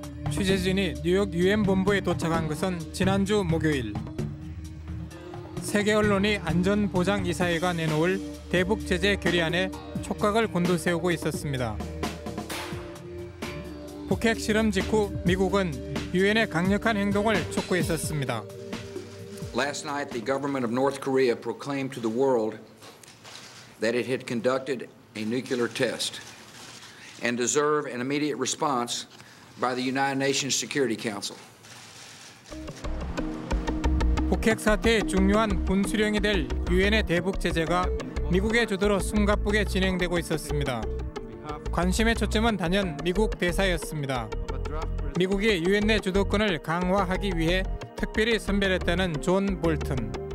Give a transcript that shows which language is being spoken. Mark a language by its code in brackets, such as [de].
[ko] 취재진이 뉴욕 유엔 본부에 도착한 것은 지난주 목요일. 세계 언론이 안전보장이사회가 내놓을 대북 제재 결의안에 촉각을 곤두세우고 있었습니다. 북핵 실험 직후 미국은 유엔의 강력한 행동을 촉구했었습니다. [en] Last night the government of North Korea proclaimed to the world that it had conducted a nuclear test and deserve an immediate response by the United Nations Security Council. [ko] 북핵 사태의 중요한 분수령이 될 유엔의 대북 제재가 미국의 주도로 숨가쁘게 진행되고 있었습니다. 관심의 초점은 단연 미국 대사였습니다. 미국이 유엔 내 주도권을 강화하기 위해 특별히 선별했다는 존 볼튼.